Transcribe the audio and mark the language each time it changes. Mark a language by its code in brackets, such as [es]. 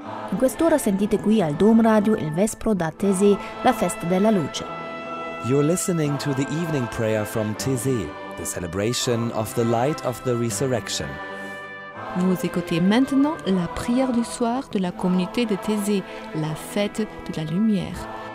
[it] In quest'ora sentite qui al Domradio il Vespro da Tessé, la Festa della Luce. [en] You're listening to the evening prayer from Tessé, the celebration of the light of the resurrection. [fr] Vous écoutez maintenant la prière du soir de la communauté de Tessé, la fête de la lumière.